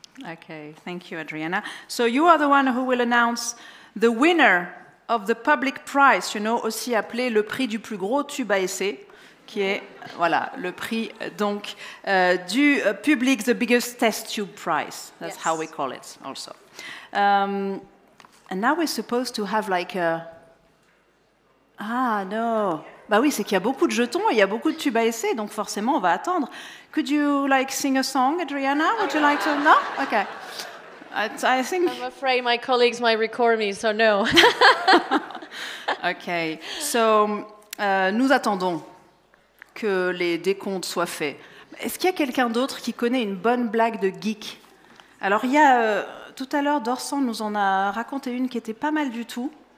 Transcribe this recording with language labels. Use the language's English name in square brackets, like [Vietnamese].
[English] Okay, thank you, Adriana. So you are the one who will announce the winner of the public prize, you know, [French] aussi appelé le prix du plus gros tube à essai, qui est, voilà, le prix, donc, du public, [English] the biggest test tube prize. That's yes. How we call it, also. And now we're supposed to have like a... Ah, no. [French] Bah oui, c'est qu'il y a beaucoup de jetons, il y a beaucoup de tubes à essai, donc forcément, on va attendre. [English] Could you, like, sing a song, Adriana? Would you like to... No? Okay. I think... I'm afraid my colleagues might record me, so no. Okay. [French] So, nous attendons que les décomptes soient faits. Est-ce qu'il y a quelqu'un d'autre qui connaît une bonne blague de geek? Alors, il y a... tout à l'heure, Dorsan nous en a raconté une qui était pas mal du tout.